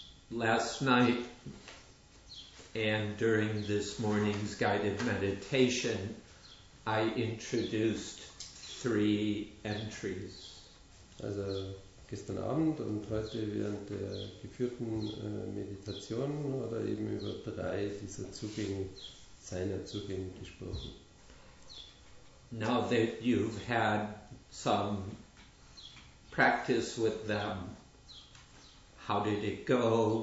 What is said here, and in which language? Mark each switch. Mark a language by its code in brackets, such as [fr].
[en] Last night and during this morning's guided meditation, I introduced three entries. [de] Also gestern Abend und heute während der geführten Meditation hat er eben über drei dieser Zugänge, seiner Zugänge gesprochen. [en] Now that you've had some practice with them, how did it go?